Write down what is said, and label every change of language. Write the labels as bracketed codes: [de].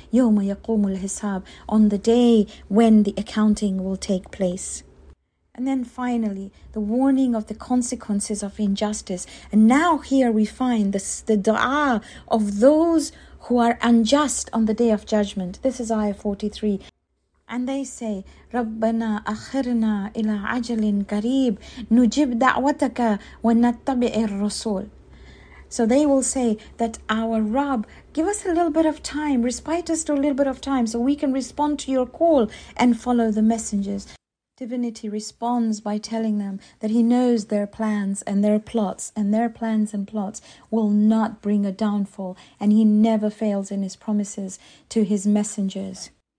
[ar] يَوْمَ يَقُومُ الْحِسَابِ, [en] on the day when the accounting will take place. And then finally, the warning of the consequences of injustice. And now here we find the du'a of those who are unjust on the Day of Judgment. This is ayah 43. And they say, [ar] رَبَّنَا أَخِرْنَا إِلَىٰ عَجَلٍ قَرِيبٍ نُجِبْ دَعْوَتَكَ وَنَتَّبِعِ الرَّسُولِ. [en] So they will say that our Rabb, give us a little bit of time, respite us to a little bit of time so we can respond to your call and follow the messengers. Divinity responds by telling them that he knows their plans and their plots, and their plans and plots will not bring a downfall, and he never fails in his promises to his messengers.